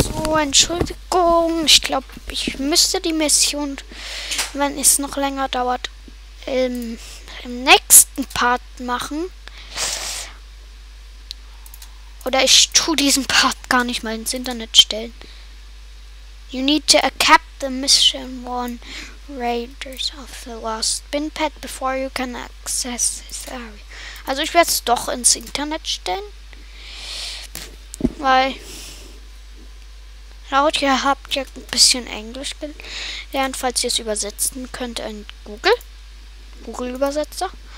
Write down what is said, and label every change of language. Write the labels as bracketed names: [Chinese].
[German] Entschuldigung, ich glaube, ich müsste die Mission, wenn es noch länger dauert, im nächsten Part machen. Oder ich tue diesen Part gar nicht mal ins Internet stellen. [English] You need to accept the mission one Raiders of the Lost Bin Pad before you can access this area. [German] Also ich werde es doch ins Internet stellen. Weil laut, ihr habt ja ein bisschen Englisch gelernt, falls ihr es übersetzen könnt in Google-Übersetzer.